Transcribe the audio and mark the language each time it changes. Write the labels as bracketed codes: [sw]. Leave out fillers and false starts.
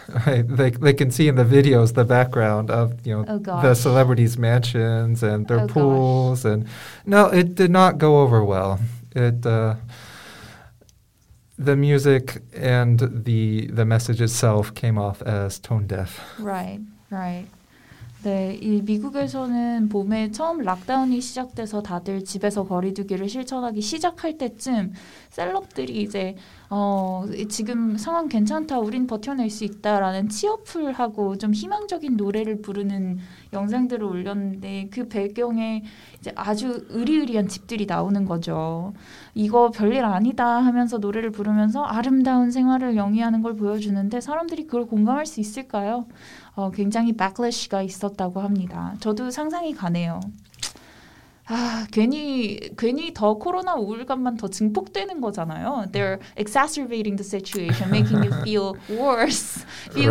[en] they can see in the videos the background of, you know, the celebrities' mansions and their pools. Gosh. And no, it did not go over well. The music and the message itself came off as tone deaf. Right, right. [ko] 네, 이 미국에서는 봄에 처음 락다운이 시작돼서 다들 집에서 거리두기를 실천하기 시작할 때쯤 셀럽들이 이제 지금 상황 괜찮다, 우린 버텨낼 수 있다라는 치어풀하고 좀 희망적인 노래를 부르는 영상들을 올렸는데 그 배경에 이제 아주 으리으리한 집들이 나오는 거죠. 이거 별일 아니다 하면서 노래를 부르면서 아름다운 생활을 영위하는 걸 보여주는데 사람들이 그걸 공감할 수 있을까요? 굉장히 backlash가 있었다고 합니다. 저도 상상이 가네요. 아, 괜히 더 코로나 우울감만 더 증폭되는 거잖아요. [en] They're exacerbating the situation, making you feel worse, feel